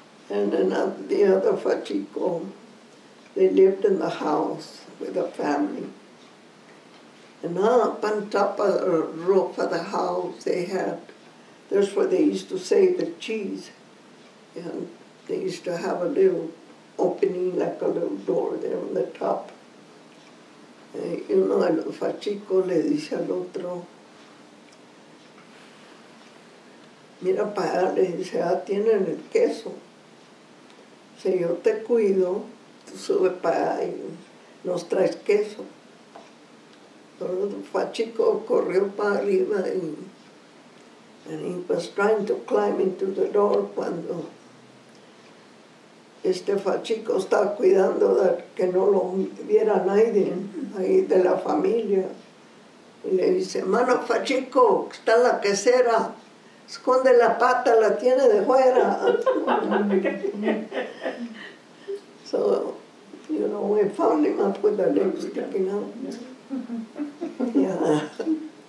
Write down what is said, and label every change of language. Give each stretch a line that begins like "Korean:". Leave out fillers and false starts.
English: And another, the other fachico, they lived in the house with a family. And up on top of the roof of the house they had, that's where they used to save the cheese. And they used to have a little opening, like a little door there on the top.
Spanish: Y uno de los fachicos le dice al otro, mira para allá, le dice, ah, tienen el queso. Si yo te cuido, tú sube para allá y nos traes queso. Pero el fachico corrió para arriba y
English: he was trying to climb into the door
Spanish: cuando este fachico estaba cuidando de que no lo viera nadie ahí de la familia. Y le dice, mano fachico, está la quesera, esconde la pata, la tiene de fuera.
English: So, you know, we found him up with the lipstick, you know. Yeah.